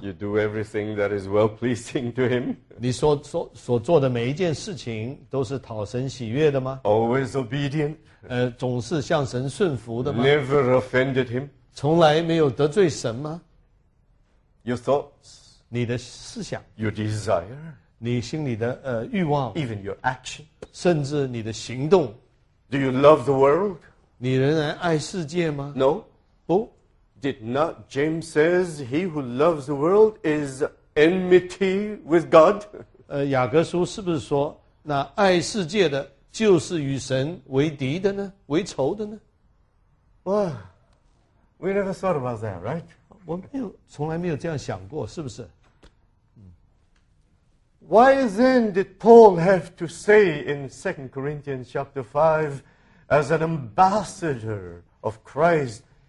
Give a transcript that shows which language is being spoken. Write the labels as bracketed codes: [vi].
[en] ？You do everything that is well pleasing to Him. [zh] 你所做的每一件事情都是讨神喜悦的吗 [en] ？Always obedient. [zh] 总是向神顺服的吗 [en] ？Never offended Him. [zh] 从来没有得罪神吗 [en] ？Your thoughts. [zh] 你的思想。 [en] Your desire. [zh] 你心里的欲望。 [en] Even your action. [zh] 甚至你的行动。 [en] Do you love the world? [zh] 你仍然爱世界吗 [en] ？No. [zh] 不。 [en] Did not James says he who loves the world is enmity with God? [zh] 雅各书是不是说那爱世界的就是与神为敌的呢？为仇的呢 [en] ？Well, we never thought about that, right? [zh] 我没有从来没有这样想过，是不是 [en] ？Why then did Paul have to say in 2 Corinthians chapter 5, as an ambassador of Christ?